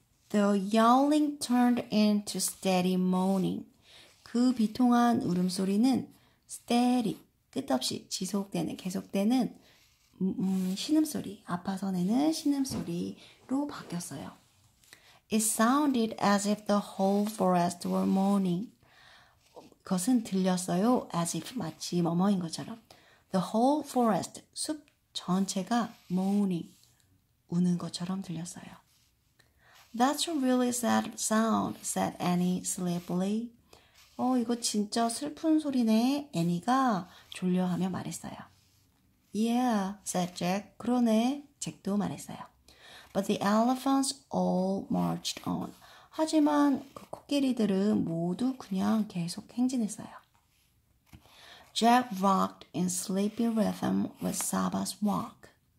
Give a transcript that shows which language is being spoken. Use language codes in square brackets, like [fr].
[en] The yowling turned into steady moaning. [ko] 그 비통한 울음소리는 steady, 끝없이 지속되는, 계속되는 신음소리, 아파서 내는 신음소리로 바뀌었어요. [en] It sounded as if the whole forest were moaning. [ko] 그것은 들렸어요. [en] As if, [ko] 마치 뭐뭐인 것처럼. [en] The whole forest, [ko] 숲 전체가 moaning, 우는 것처럼 들렸어요. [en] That's a really sad sound, said Annie sleepily. [ko] 이거 진짜 슬픈 소리네. 애니가 졸려하며 말했어요. [en] Yeah, said Jack. [ko] 그러네. 잭도 말했어요. [en] But the elephants all marched on. [ko] 하지만 그 코끼리들은 모두 그냥 계속 행진했어요. [en] Jack rocked in sleepy rhythm with Saba's walk.